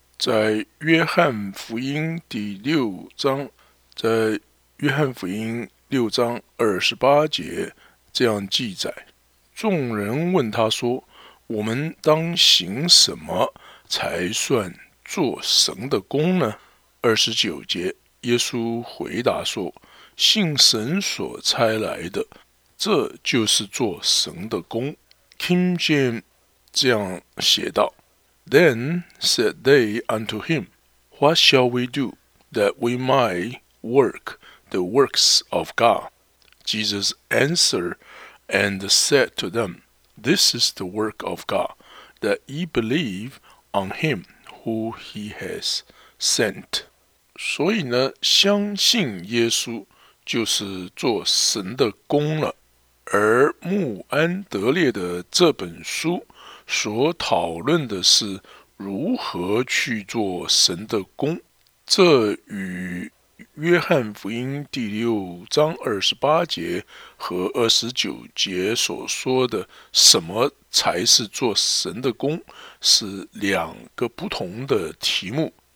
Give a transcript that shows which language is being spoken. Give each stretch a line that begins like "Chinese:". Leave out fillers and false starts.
Chinese: 在约翰福音第六章，在约翰福音六章二十八节这样记载，众人问他说，我们当行什么才算做神的功呢？二十九节，耶稣回答说，信神所差来的，这就是做神的功。
English: King James
Chinese: 这样写道，
English: Then said they unto him, What shall we do that we might work the works of God? Jesus answered and said to them, This is the work of God, that ye believe on him who he has sent.
Chinese: 所以呢，相信耶稣就是做神的功了。而穆安德烈的这本书所讨论的是如何去做神的功，这与约翰福音第六章二十八节和二十九节所说的什么才是做神的功是两个不同的题目。